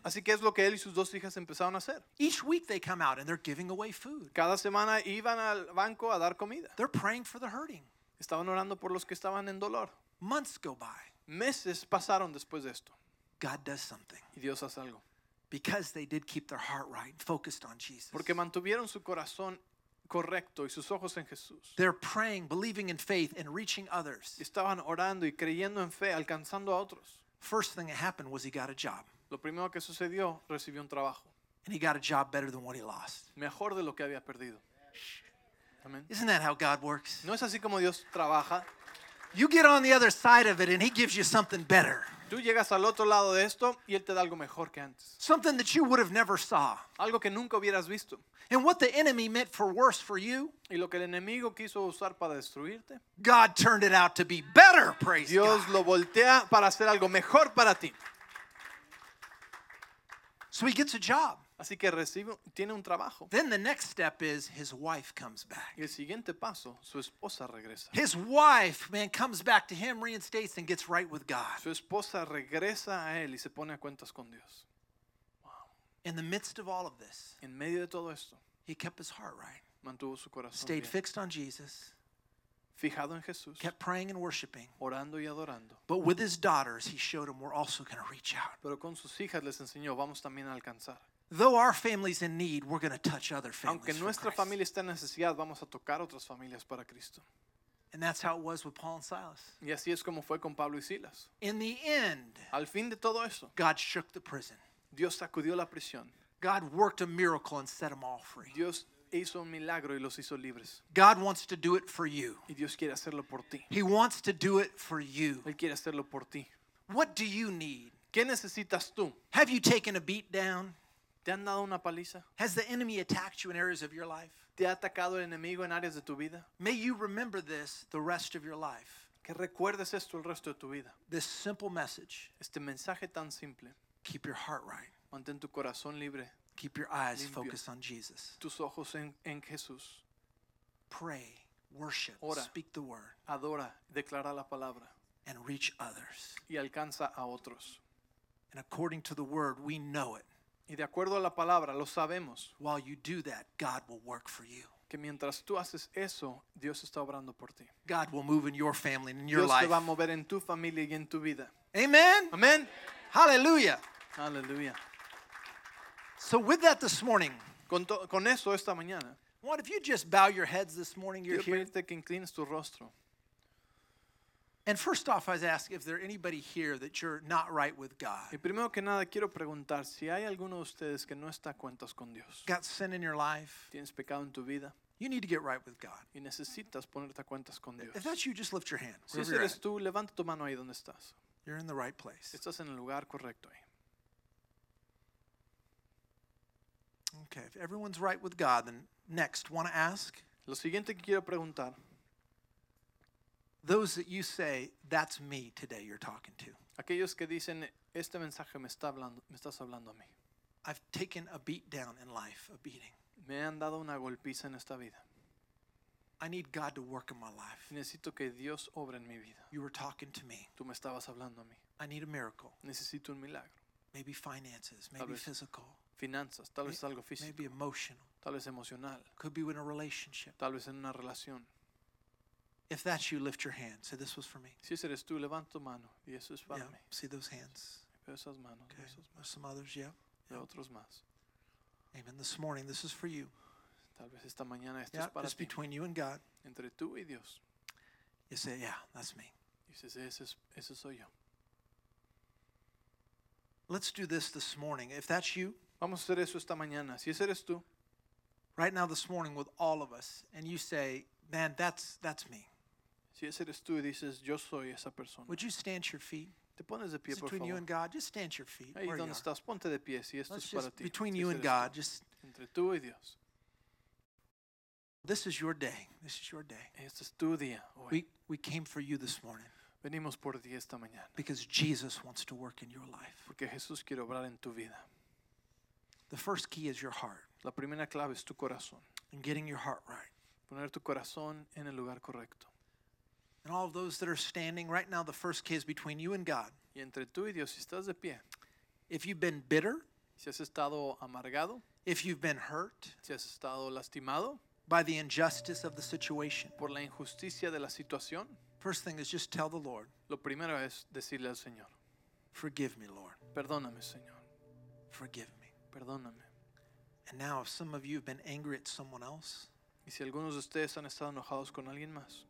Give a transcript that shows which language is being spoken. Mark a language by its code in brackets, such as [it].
[es] Así que es lo que él y sus dos hijas empezaron a hacer. [en] Each week they come out and they're giving away food. [es] Cada semana iban al banco a dar comida. [en] They're praying for the hurting. [es] Estaban orando por los que estaban en dolor. [en] Months go by. [es] Meses pasaron después de esto. [en] God does something. [es] Y Dios hace algo. [en] Because they did keep their heart right and focused on Jesus. [es] Porque mantuvieron su corazón correcto y sus ojos en Jesús. [en] They're praying, believing in faith and reaching others. [es] Estaban orando y creyendo en fe, alcanzando a otros. [en] First thing that happened was he got a job. [es] Lo primero que sucedió, recibió un trabajo. [en] And he got a job better than what he lost. [es] Mejor de lo que había perdido. Amen. [en] Isn't that how God works? [es] ¿No es así como Dios trabaja? [en] You get on the other side of it and he gives you something better. [es] Tú llegas al otro lado de esto y él te da algo mejor que antes. [en] Something that you would have never saw. [es] Algo que nunca hubieras visto. [en] And what the enemy meant for worse for you, [es] y lo que el enemigo quiso usar para destruirte, [en] God turned it out to be better, praise [es] Dios Dios lo voltea para hacer algo mejor para ti. [en] So he gets a job. [es] Así que recibe, tiene un trabajo. [en] Then the next step is his wife comes back. [es] Y el siguiente paso, su esposa regresa. [en] His wife, man, comes back to him, reinstates, and gets right with God. [es] Su esposa regresa a él y se pone a cuentas con Dios. [en] Wow. In the midst of all of this, [es] en medio de todo esto, [en] he kept his heart right. [es] Mantuvo su corazón [en] stayed [es] bien. [en] Fixed on Jesus. [es] Fijado en Jesús. [en] Kept praying and worshiping. [es] Orando y adorando. [en] But with his daughters, he showed them we're also going to reach out. [es] Pero con sus hijas les enseñó, vamos también a alcanzar. [en] Though our family's in need, we're going to touch other families. [es] Aunque nuestra familia está en necesidad, vamos a tocar otras familias para Cristo. [en] And that's how it was with Paul and Silas. [es] Y así es como fue con Pablo y Silas. [en] In the end, [es] al fin de todo eso, [en] God shook the prison. [es] Dios sacudió la prisión. [en] God worked a miracle and set them all free. [es] Dios hizo un milagro y los hizo libres. [en] God wants to do it for you. [es] Y Dios quiere hacerlo por ti. [en] He wants to do it for you. [es] Él quiere hacerlo por ti. [en] What do you need? [es] ¿Qué necesitas tú? [en] Have you taken a beat down? [es] ¿Te han dado una paliza? [en] Has the enemy attacked you in areas of your life? [es] ¿Te ha atacado el enemigo en áreas de tu vida? [en] May you remember this the rest of your life. [es] Que recuerdes esto el resto de tu vida. [en] This simple message. [es] Este mensaje tan simple. [en] Keep your heart right. [es] Mantén tu corazón libre. [en] Keep your eyes [es] limpio. [en] Focused on Jesus. [es] Tus ojos en Jesús. [en] Pray, worship, [es] ora, [en] speak the word. [es] Adora, declara la palabra. [en] And reach others. [es] Y alcanza a otros. [en] And according to the word, we know it. [es] Y de acuerdo a la palabra, lo sabemos. [en] While you do that, God will work for you. [es] Que mientras tú haces eso, Dios está obrando por ti. [en] God will move in your family and in your life. [es] Dios te va a mover en tu familia y en tu vida. [en] Amen. [es] Amen. [en] Hallelujah. [es] Hallelujah. [en] So with that this morning, [es] con eso esta mañana, [en] what if you just bow your heads this morning, you're here. [es] Quiero pedirte que inclines tu rostro. [en] And first off, I ask if there anybody here that you're not right with God. [es] Y primero que nada quiero preguntar si hay alguno de ustedes que no está a cuentas con Dios. [en] Got sin in your life. [es] Tienes pecado en tu vida. [en] You need to get right with God. [es] Y necesitas ponerte a cuentas con Dios. [en] If that's you, just lift your hand. [es] Si ese eres tú, levanta tu mano ahí donde estás. [en] You're in the right place. [es] Estás en el lugar correcto ahí. [en] Okay. If everyone's right with God, then next, want to ask. [es] Lo siguiente que quiero preguntar. [en] Those that you say, that's me today you're talking to. [es] Aquellos que dicen, este mensaje me está hablando, me estás hablando a mí. [en] I've taken a beat down in life, a beating. [es] Me han dado una golpiza en esta vida. [en] I need God to work in my life. [es] Necesito que Dios obre en mi vida. [en] You were talking to me. [es] Tú me estabas hablando a mí. [en] I need a miracle. [es] Necesito un milagro. [en] Maybe finances, maybe physical. [es] Finanzas, tal vez algo físico. [en] Maybe emotional. [es] Tal vez emocional. [en] Could be in a relationship. [es] Tal vez en una relación. [en] If that's you, lift your hand. Say, this was for me. [es] Si ese eres tú, levanta tu mano. Y eso es para [en] yeah. [es] mí. [en] See those hands. [es] Veo esas manos. Okay. Esas manos. [en] Some others, yeah. [es] Y otros más. [en] Amen. This morning, this is for you. [es] Tal vez esta mañana esto [en] yeah, [es] es para [en] just [es] ti. [en] Between you and God. [es] Entre tú y Dios. [en] You say, yeah, that's me. [es] Y dices, ese soy yo. [en] Let's do this morning. If that's you. [es] Vamos a hacer eso esta mañana. Si ese eres tú. [en] Right now, this morning, with all of us. And you say, man, that's me. [es] Si ese eres tú y dices, yo soy esa persona. [en] Would you stand your feet? [es] Te pones de pie, por favor. [en] Between you and God, just stand your feet. [es] Ahí donde estás, ponte de pie, si esto es para ti. [en] Between you and God, just. [es] Entre tú y Dios. [en] This is your day. This is your day. [es] Este es tu día hoy. [en] We came for you this morning. [es] Venimos por ti esta mañana. [en] Because Jesus wants to work in your life. [es] Porque Jesús quiere obrar en tu vida. [en] The first key is your heart. [es] La primera clave es tu corazón. [en] And getting your heart right. [es] Poner tu corazón en el lugar correcto. [en] And all of those that are standing right now, the first key is between you and God. [es] Y entre tú y Dios, si estás de pie. [en] If you've been bitter, [es] si has estado amargado, [en] if you've been hurt, [es] si has estado lastimado, [en] by the injustice of the situation, [es] por la injusticia de la situación, [en] first thing is just tell the Lord. [es] Lo primero es decirle al Señor. [en] Forgive me, Lord. [es] Perdóname, Señor. [en] Forgive me. [es] Perdóname. [en] And now, if some of you have been angry at someone else, [es] y si algunos de ustedes han estado enojados con alguien más,